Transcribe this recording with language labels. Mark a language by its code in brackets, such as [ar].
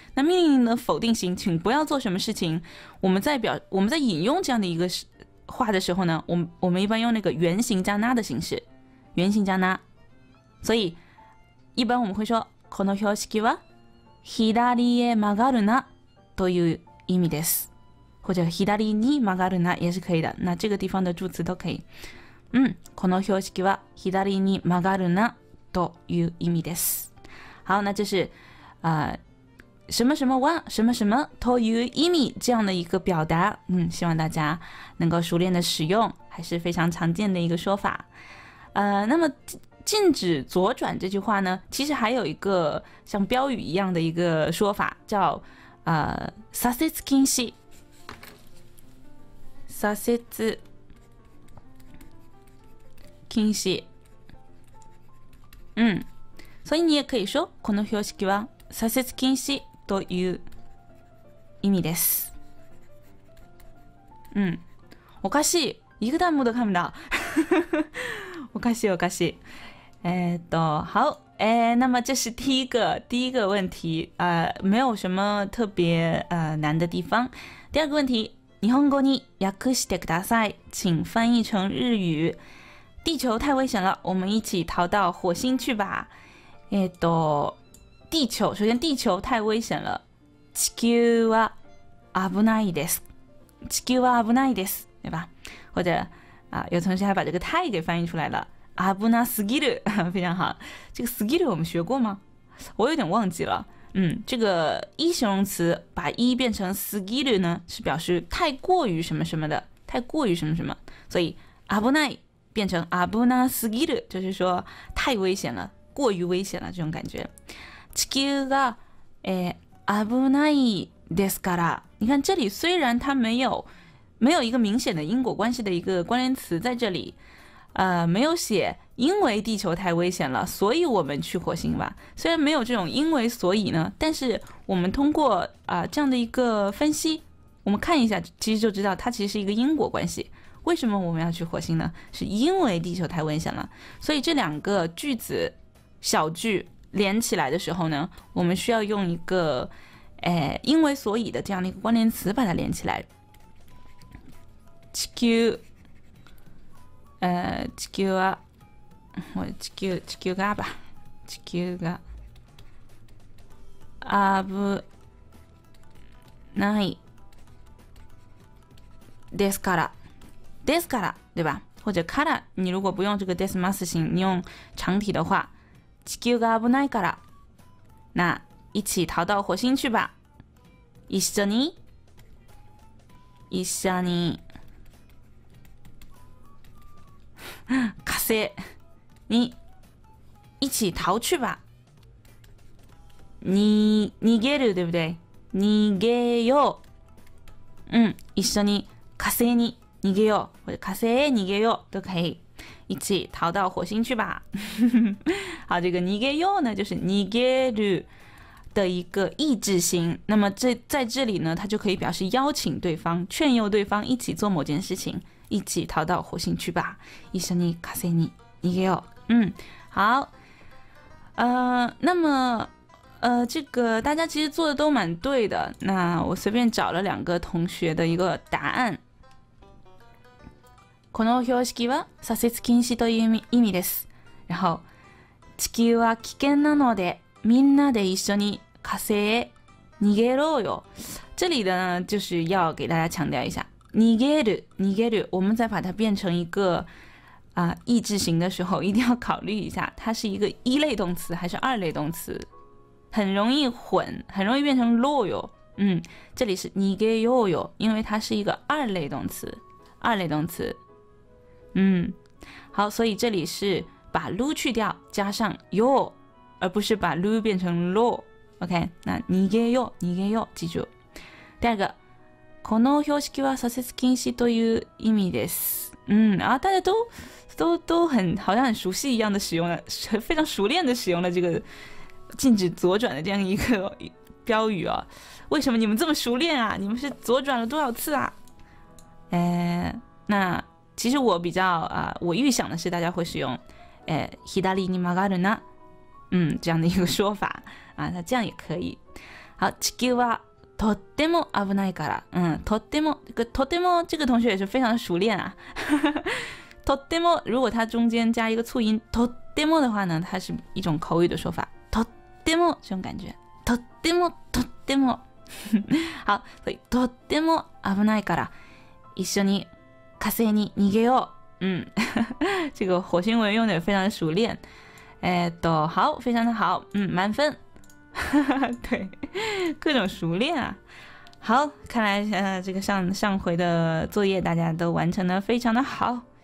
[zh] 那命令的否定型，请不要做什么事情。我们在引用这样的一个话的时候呢，我们一般用那个原型加哪的形式，原型加哪。所以一般我们会说 [ja] この標識は左へ曲がるなという。意味です， [zh] 或者 [ja] 左に曲がるな [zh] 也是可以的。那这个地方的助词都可以。嗯， [ja] この標識は左に曲がるなという意味です。 [zh] 好，那就是什么什么は什么什么という意味这样的一个表达。嗯，希望大家能够熟练的使用，还是非常常见的一个说法。那么禁止左转这句话呢，其实还有一个像标语一样的一个说法，叫。 [ja] 左折禁止，左折禁止。嗯， [zh] 所以你也可以说 [ja] この標識は左折禁止という意味です。嗯，おかしい。一旦戻かみだ。おかしいおかしい。好。 [zh] 那么这是第一个问题，没有什么特别难的地方。第二个问题， [ja] 日本語に訳してください， [zh] 请翻译成日语。地球太危险了，我们一起逃到火星去吧。地球，首先地球太危险了。 [ja] 地球は危ないです。地球は危ないです， [zh] 对吧？或者有同学还把这个太给翻译出来了。啊，不拿すぎる，非常好。这个すぎる我们学过吗？我有点忘记了。这个一形容词把一变成すぎる呢，是表示太过于什么什么的，太过于什么什么。所以啊不奈变成啊不拿すぎる，就是说太危险了，过于危险了这种感觉。 [ja] 地球が危ないですから。 [zh] 你看这里虽然它没有一个明显的因果关系的一个关联词在这里。没有写因为地球太危险了所以我们去火星吧，虽然没有这种因为所以呢，但是我们通过这样的一个分析，我们看一下其实就知道它其实是一个因果关系。为什么我们要去火星呢？是因为地球太危险了。所以这两个句子小句连起来的时候呢，我们需要用一个因为所以的这样的一个关联词把它连起来。 [ja] 地球地球は、もう地球がば、地球が、危ない、ですから、 [zh] ですから、对吧？或者から、你如果不用这个ですます形、你用长体的话、 [ja] 地球が危ないから、 [zh] 那、一起逃到火星去吧。 [ja] 一緒に、 [zh] せ。に、一起逃去吧。 [ja] に、逃げる、 [zh] 对不对？ [ja] 逃げよう。うん、一緒に火星に逃げよう。 [zh] 或者 [ja] 火星へ逃げよう。 [zh] 都可以。一起逃到火星去吧。好，这个逃げよう呢，就是逃げる的一个意志型。那么这在这里呢，它就可以表示邀请对方、劝诱对方一起做某件事情。一起逃到火星去吧。 [ja] 一緒に火星に逃げよう。嗯，好。 [zh] 那么这个大家其实做的都蛮对的。那我随便找了两个同学的一个答案。 [ja] この標識は左折禁止という意味です。 [zh] 然后、 [ja] 地球は危険なので、みんなで一緒に火星へ逃げろよ。 [zh] 这里的呢就是要给大家强调一下。逃げる、逃げる。我们再把它变成一个意志型的时候一定要考虑一下。它是一个一类动词还是二类动词。很容易混、很容易变成ろよ。嗯、这里是逃げろよ。因为它是一个二类动词。二类动词。嗯，好，所以这里是把 lu 去掉，加上 yo， 而不是把 lu 变成 lo。 OK， 那逃げよう、逃げよう，记住。第二个， [ja] この標識は左折禁止という意味です。 [zh] 嗯，啊，大家都很好像很熟悉一样的使用了，非常熟练的使用了这个禁止左转的这样一个标语哦。为什么你们这么熟练啊？你们是左转了多少次啊？那。其实我比较我预想的是大家会使用 [ja] 左に曲がるな， [zh] 这样的一个说法啊，那这样也可以。好， [ja] 地球はとっても危ないから， [zh] とっても，这个とても这个同学也是非常熟练啊。とっても，如果它中间加一个促音とっても的话呢，它是一种口语的说法，とっても这种感觉，とっても、とっても。 [ja] 好， [zh] 所以 [ja] とっても危ないから一緒に。火星に逃げよう。 [zh] 这个火星文用的非常熟练。好，非常的好。满分。对，各种熟练啊。好，看来这个上回的作业大家都完成的非常的好。